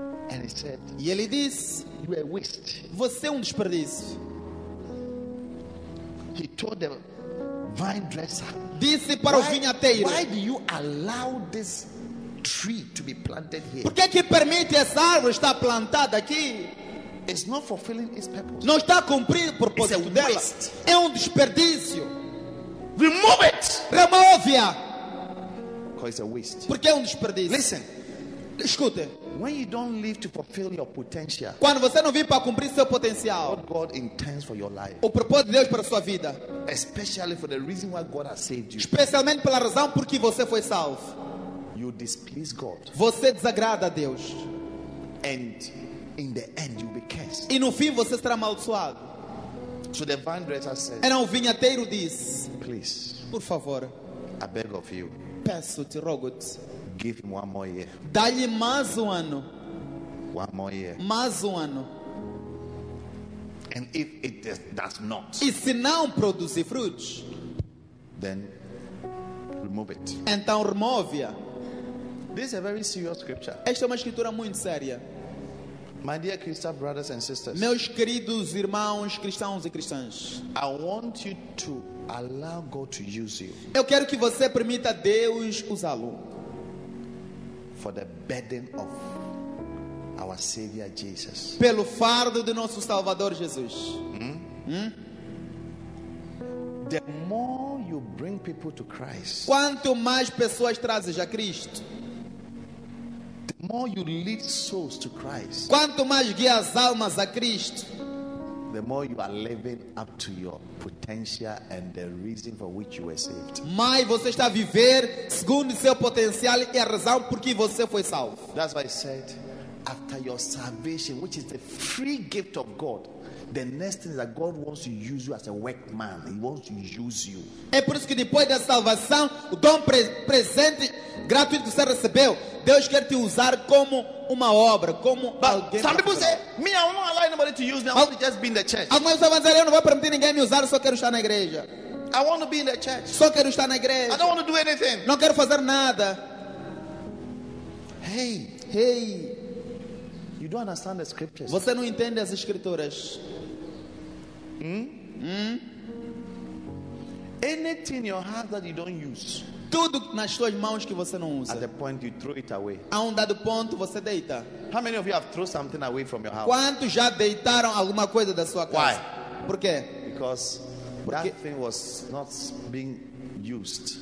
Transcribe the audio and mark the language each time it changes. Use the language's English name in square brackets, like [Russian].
[English] And he said, [Portuguese] e ele disse, [English] you are waste. [Portuguese] Você é desperdício. [English] He told them, vine dresser. [Portuguese] Disse para o vinhateiro. [English] Why do you allow this tree to be planted here? [Portuguese] Por que que permite essa árvore estar plantada aqui? [English] It's not fulfilling its purpose. [Portuguese] Não está cumprindo o propósito dela. [English] Waste. [Portuguese] É desperdício. [English] Remove it. [Portuguese] Remove-a. [English] Because it's a waste. [Portuguese] Porque desperdício. [English] Listen. [Portuguese] Escute. [English] When you don't live to fulfill your potential. [Portuguese] Quando você não vive para cumprir seu potencial. [English] What God intends for your life. [Portuguese] O propósito de Deus para sua vida. [English] Especially for the reason why God has saved you. [Portuguese] Especialmente pela razão por que você foi salvo. [English] You displease God. [Portuguese] Você desagrada a Deus. [English] And in the end you'll be cursed. [Portuguese] E no fim você será amaldiçoado. [English] So the vine dresser said. [Portuguese] Então o vinhateiro diz. [English] Please. [Portuguese] Por favor. [English] I beg of you. [Portuguese] Peço-te, rogo-te. [English] Give him one more year. [Portuguese] Dá-lhe mais ano. [English] One more year. [Portuguese] Mais ano. [English] And if it does not. [Portuguese] E se não produzir frutos. [English] Then remove it. [Portuguese] Então remove-a. [English] This is a very serious scripture. [Portuguese] Esta é uma escritura muito séria. [English] My dear Christian brothers and sisters, [Portuguese] meus queridos irmãos cristãos e cristãs, [English] I want you to allow God to use you. [Portuguese] Eu quero que você permita Deus usá-lo. [English] For the burden of our Savior Jesus. [Portuguese] Pelo fardo de nosso Salvador Jesus. [English] The more you bring people to Christ. [Portuguese] Quanto mais pessoas trazes a Cristo. [English] More you lead souls to Christ. [Portuguese] Quanto mais guias almas a Cristo, [English] the more you are living up to your potential and the reason for which you were saved. [Portuguese] Mais você está a viver segundo seu potencial e a razão por que você foi salvo. [English] That's why I said, after your salvation, which is the free gift of God, the next thing is that God wants to use you as a workman. He wants to use you. [Portuguese] É por isso que depois da salvação, o dom presente gratuito que você recebeu, Deus quer te usar como uma obra, como alguém. [English] Some people say, me, I won't allow anybody to use me. I want to just be in the church. [Portuguese] Algumas pessoas vão dizer, eu não vou permitir ninguém me usar, eu só quero estar na igreja. [English] I want to be in the church. [Portuguese] Só quero estar na igreja. [English] I don't want to do anything. [Portuguese] Não quero fazer nada. [English] Hey, hey. You don't understand the scriptures. [Portuguese] Você não entende as escrituras. [English] Anything in your heart that you don't use. [Portuguese] Tudo nas suas mãos que você não usa. [English] At the point you throw it away. [Portuguese] A dado ponto você deita. [English] How many of you have thrown something away from your house? [Portuguese] Quantos já deitaram alguma coisa da sua casa? [English] Why? [Portuguese] Por quê? [English] Because that thing was not being used.